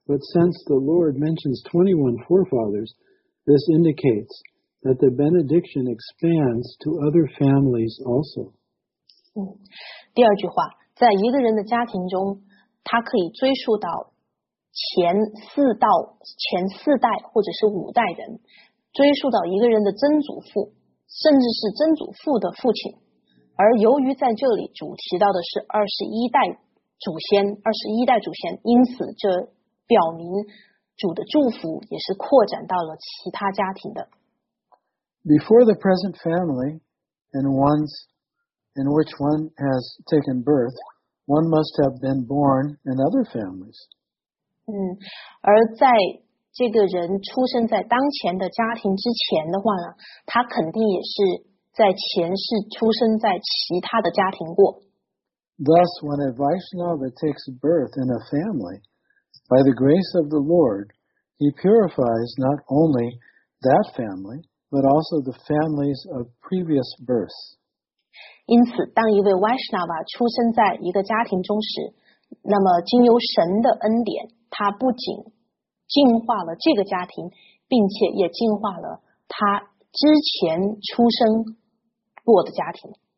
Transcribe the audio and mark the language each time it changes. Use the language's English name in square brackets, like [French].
[English] But since the Lord mentions 21 forefathers, this indicates that the benediction expands to other families also. [Chinese] 第二句话，在一个人的家庭中，他可以追溯到前四代或者是五代人。追溯到一个人的曾祖父，甚至是曾祖父的父亲。而由于在这里主提到的是二十一代祖先，因此这表明主的祝福也是扩展到了其他家庭的。 [English] Before the present family and ones in which one has taken birth, one must have been born in other families. [Chinese] 而在这个人出生在当前的家庭之前的话呢，他肯定也是在前世出生在其他的家庭过。 [English] Thus, when a Vaishnava takes birth in a family, by the grace of the Lord, He purifies not only that family, but also the families of previous births. [Chinese] 因此，当一位 Vaishnava 出生在一个家庭中时，那么经由神的恩典，他不仅净化了这个家庭，并且也净化了他之前出生过的家庭。